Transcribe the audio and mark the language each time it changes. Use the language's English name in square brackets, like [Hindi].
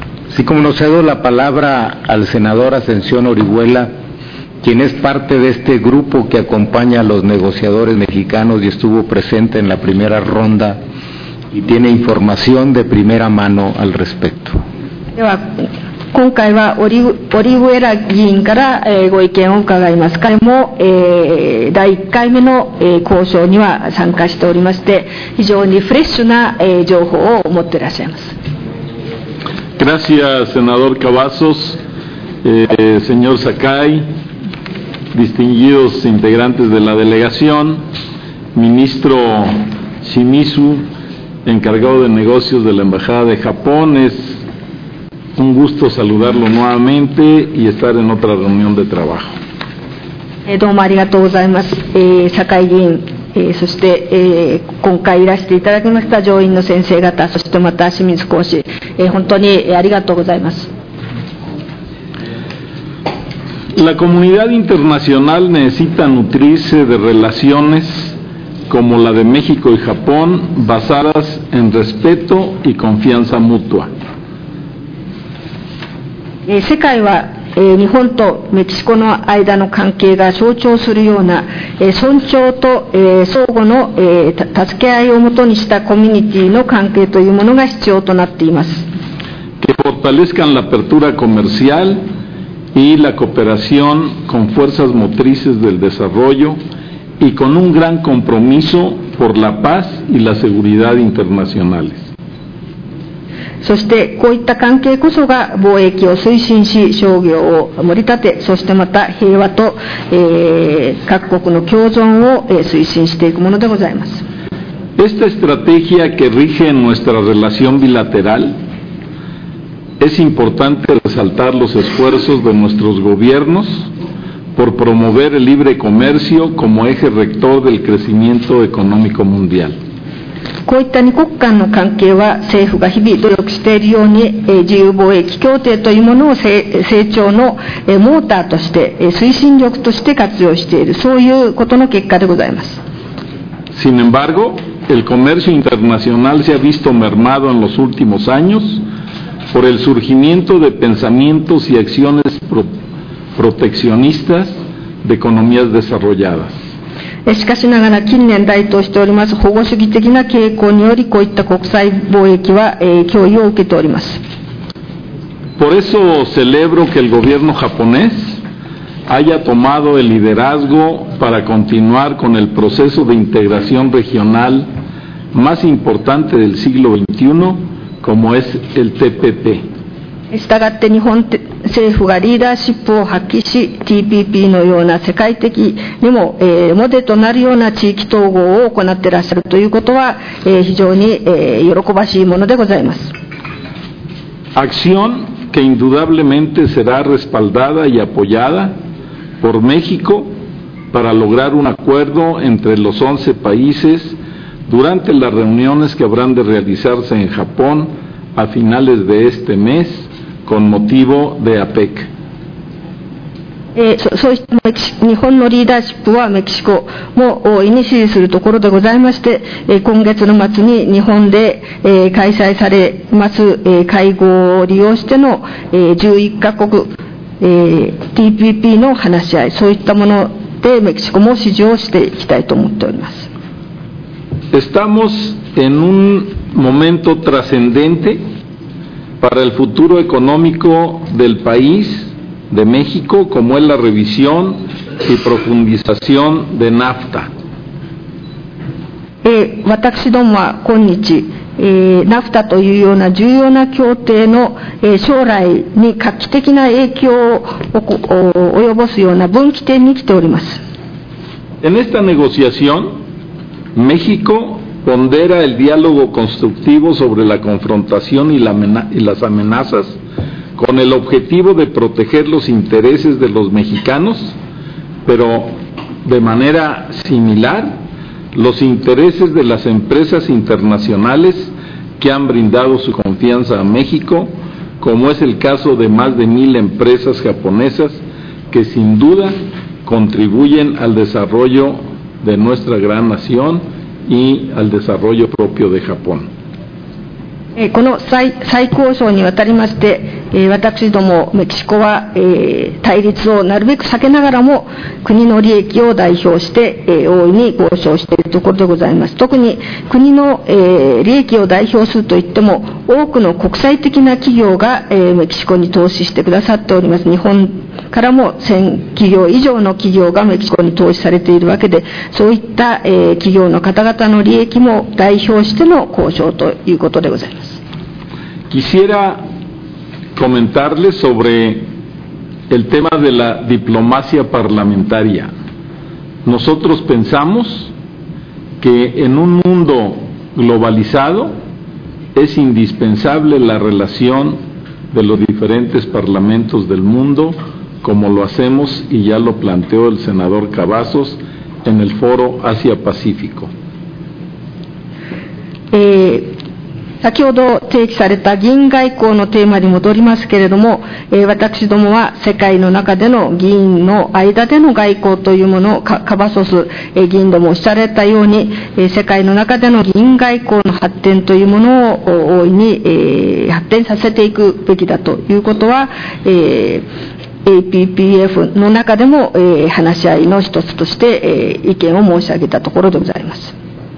[Spanish] Sí, como no, cedo la palabra al senador Ascensión Orihuela, quien es parte de este grupo que acompaña a los negociadores mexicanos y estuvo presente en la primera ronda y tiene información de primera mano al respecto. [Japanese] では今回はオリウエラ議員から、ご意見を伺います。彼も、第1回目の、交渉には参加しておりまして、非常にフレッシュな、情報を持っていらっしゃいます。 [Spanish] Gracias, senador Cavazos, señor Sakai, distinguidos integrantes de la delegación, ministro Shimizu, encargado de negocios de la embajada de Japón, es un gusto saludarlo nuevamente y estar en otra reunión de trabajo. [Japanese] どうもありがとうございます、酒井議員、そして、今回いらしていただきました上院の先生方、そしてまた清水講師、本当にありがとうございます。 [Spanish] La comunidad internacional necesita nutrirse de relaciones como la de México y Japón, basadas en respeto y confianza mutua. [Japanese] 世界は、日本とメキシコの間の関係が象徴するような、尊重と、相互の、助け合いをもとにしたコミュニティの関係というものが必要となっています。 [Spanish] Que fortalezcan la apertura comercial. Y la cooperación con fuerzas motrices del desarrollo y con un gran compromiso por la paz y la seguridad internacionales. [Japanese] そしてこういった関係こそが貿易を推進し、商業を盛り立て、そしてまた平和と、各国の共存を、推進していくものでございます。 [Spanish] Esta estrategia que rige nuestra relación bilateral. Es importante resaltar los esfuerzos de nuestros gobiernos por promover el libre comercio como eje rector del crecimiento económico mundial. [Japanese] こういった二国間の関係は政府が日々努力しているように、自由貿易協定というものを成長の、モーターとして、推進力として活用している、そういうことの結果でございます。 [Spanish] Sin embargo, el comercio internacional se ha visto mermado en los últimos años. Por el surgimiento de pensamientos y acciones proteccionistas de economías desarrolladas. [Japanese] しかしながら近年台頭しております保護主義的な傾向によりこういった国際貿易は、脅威を受けております。 [Spanish] Por eso celebro que el gobierno japonés haya tomado el liderazgo para continuar con el proceso de integración regional más importante del siglo XXI. Como es el TPP. [Japanese] したがって日本政府がリーダーシップを発揮し TPP のような世界的にも、モデルとなるような地域統合を行っていらっしゃるということは、非常に、喜ばしいものでございます。 [Spanish] Acción que indudablemente será respaldada y apoyada por México para lograr un acuerdo entre los 11 países. Durante las reuniones que habrán de realizarse en Japón a finales de este mes con motivo de APEC. [Japanese] そして日本のリーダーシップはメキシコも大いに支持するところでございまして、今月の末に日本で、開催されます、会合を利用しての、11カ国、TPP の話し合い、そういったものでメキシコも支持をしていきたいと思っております。 [Spanish] Estamos en un momento trascendente para el futuro económico del país de México, como es la revisión y profundización de NAFTA. [Japanese] 私どもは今日、NAFTA というような重要な協定の、将来に画期的な影響を及ぼすような分岐点に来ております。 [Spanish] En esta negociación,México pondera el diálogo constructivo sobre la confrontación y las amenazas con el objetivo de proteger los intereses de los mexicanos, pero de manera similar, los intereses de las empresas internacionales que han brindado su confianza a México, como es el caso de más de 1,000 empresas japonesas que sin duda contribuyen al desarrollode nuestra gran nación y al desarrollo propio de Japón. [Japanese] この再交渉にわたりまして、私どもメキシコは、対立をなるべく避けながらも国の利益を代表して、大いに交渉しているところでございます。特に国の、利益を代表するといっても多くの国際的な企業が、メキシコに投資してくださっております。日本からも1000企業以上の企業がメキシコに投資されているわけで、そういった、企業の方々の利益も代表しての交渉ということでございます。 [Spanish] Quisiera comentarles sobre el tema de la diplomacia parlamentaria. Nosotros pensamos que en un mundo globalizado es indispensable la relación de los diferentes parlamentos del mundo como lo hacemos y ya lo planteó el senador Cavazos en el foro Asia-Pacífico. [Japanese] 先ほど提示された議員外交のテーマに戻りますけれども、私どもは世界の中での議員の間での外交というものをカバソス議員どもおっしゃられたように、世界の中での議員外交の発展というものを大いに、発展させていくべきだということは、APPF の中でも、話し合いの一つとして、意見を申し上げたところでございます。